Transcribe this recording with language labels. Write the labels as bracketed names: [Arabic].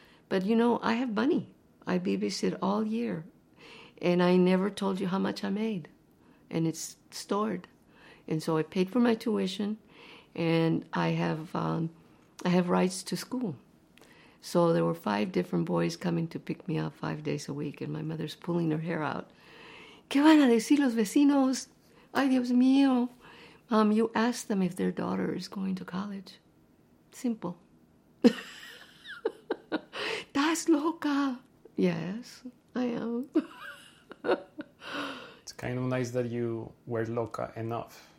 [English] But, you know, I have money. I babysit all year. And I never told you how much I made. And it's stored. And so I paid for my tuition, and I have rights to school. So there were five different boys coming to pick me up 5 days a week, and my mother's pulling her hair out. [Spanish] ¿Qué van a decir los vecinos? Ay, Dios mío. [English] Mom, you ask them if their daughter is going to college. Simple. [Spanish] ¿Estás loca? [English] Yes, I am. It's kind of nice that you were loca enough.